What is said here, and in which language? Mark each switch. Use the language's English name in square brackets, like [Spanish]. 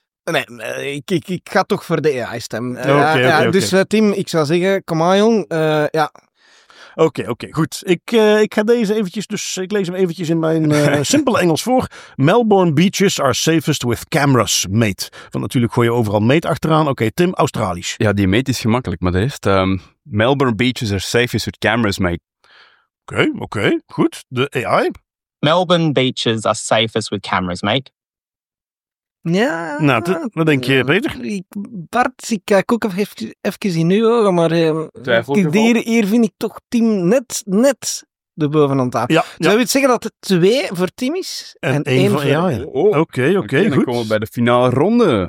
[Dutch] Nee, ik ga toch voor de AI stem. Dus Tim, ik zou zeggen, kom aan jong. Oké, goed. Ik ga deze eventjes, dus ik lees hem eventjes in mijn simpele Engels voor. [English] Melbourne beaches are safest with cameras, mate. [Dutch] Want natuurlijk gooi je overal mate achteraan. Oké, Tim, Australisch. Ja, die mate is gemakkelijk, maar de rest. [English] Melbourne beaches are safest with cameras, mate. [Dutch] Oké, goed. De AI. [English] Melbourne beaches are safest with cameras, mate. [Dutch] Ja. Nou, wat denk je, Peter? Bart, ik kijk ook even in uw ogen, maar hier vind ik toch Tim net de bovenhand aan. Ja. Zou je het zeggen dat het 2 voor Tim is? En 1 voor AI. Oké, goed. Dan komen we bij de finale ronde.